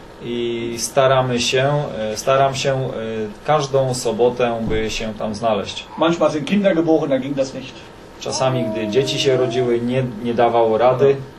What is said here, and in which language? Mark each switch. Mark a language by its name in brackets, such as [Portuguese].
[Polish] I staram się każdą sobotę, by się tam znaleźć. [German] Manchmal sind Kinder geboren, dann ging das nicht. [Polish] Czasami, gdy dzieci się rodziły, nie dawało rady.